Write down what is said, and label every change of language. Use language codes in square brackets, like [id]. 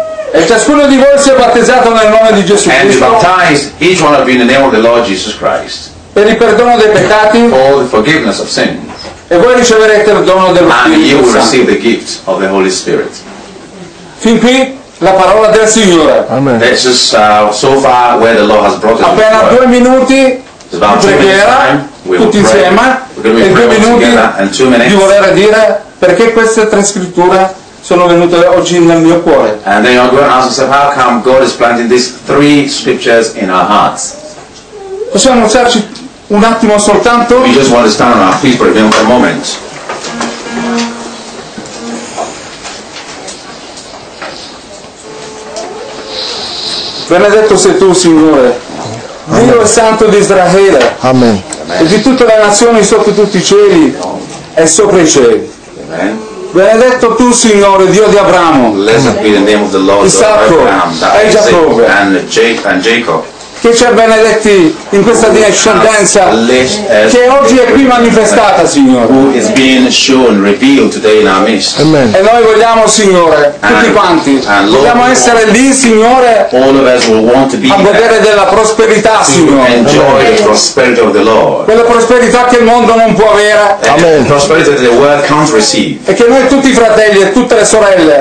[it] e ciascuno di voi sia battezzato nel nome di Gesù Cristo. [en] And be baptized, each one of you, in the name of the Lord Jesus Christ. [it] Per il perdono dei peccati. [en] For the forgiveness of sins. [it] E voi riceverete il dono dello Spirito Santo. [en] And you will receive the gift of the Holy Spirit. [it] Fin qui la parola del Signore. Amen. [en] This is so far where the Lord has brought us. [it] Appena due minuti di preghiera, tutti insieme, e due minuti di voler dire perché queste tre scritture sono venute oggi nel mio cuore. [en] And then you're going to ask yourself, how come God is planting these three scriptures in our hearts? [it] Possiamo alzarci un attimo soltanto? [en] We just want to stand on our feet for even a moment. [it] Benedetto sei tu, Signore. Amen. Dio è santo di Israele. Amen. E di tutte le nazioni sotto tutti i cieli e sopra i cieli. Amen. Benedetto tu, Signore, Dio di Abramo, Isacco, e Giacobbe, [en] and Jacob. [it] che ci ha benedetti in questa discendenza che oggi è qui manifestata, Signore. [en] Who is being shown, revealed today in our midst. [it] Amen. E noi vogliamo, Signore, tutti quanti, vogliamo essere lì, Signore, a godere della prosperità, Signore. [en] Enjoy the prosperity of the Lord. [it] Quella prosperità che il mondo non può avere. [en] Amen. Prosperity that the world can't receive. [it] E che noi tutti i fratelli e tutte le sorelle,